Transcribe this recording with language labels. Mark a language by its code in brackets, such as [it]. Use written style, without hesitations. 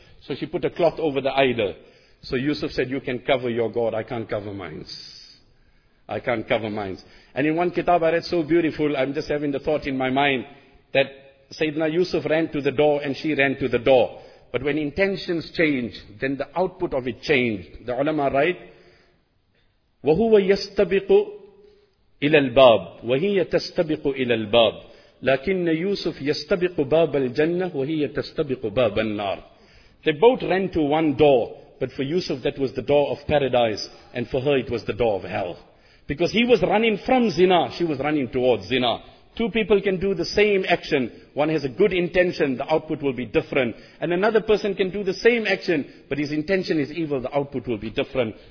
[en] So she put a cloth over the idol. So Yusuf said, "You can cover your God, I can't cover mine. I can't cover mine." And in one kitab I read so beautiful, I'm just having the thought in my mind, that Sayyidina Yusuf ran to the door and she ran to the door. But when intentions change, then the output of it changed. The ulama write, [ar] وَهُوَ يَسْتَبِقُ إِلَى الْبَابِ وَهِيَ تَسْتَبِقُ إِلَى الْبَابِ لَكِنَّ يُوسُفْ يَسْتَبِقُ بَابَ الْجَنَّةِ وَهِيَ تَسْتَبِقُ بَابَ النَّارِ. [en] They both ran to one door. But for Yusuf, that was the door of paradise. And for her, it was the door of hell. Because he was running from zina, she was running towards zina. 2 people can do the same action. One has a good intention, the output will be different. And another person can do the same action, but his intention is evil, the output will be different.